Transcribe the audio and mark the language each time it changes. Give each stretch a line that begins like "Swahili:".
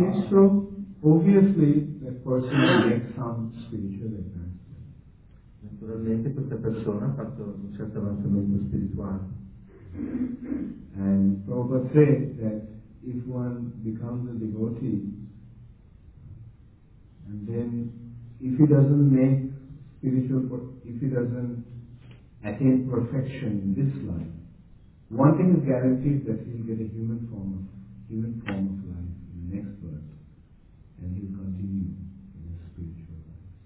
English: So obviously that person will get some spiritual advancement.
Italian: Naturalmente questa persona ha fatto un certo avanzamento spirituale.
English: And Prabhupada said that if one becomes a devotee and then if he doesn't make spiritual, if he doesn't attain perfection in this life, one thing is guaranteed that he'll get a human form of life in the next birth, and he'll continue in his spiritual life.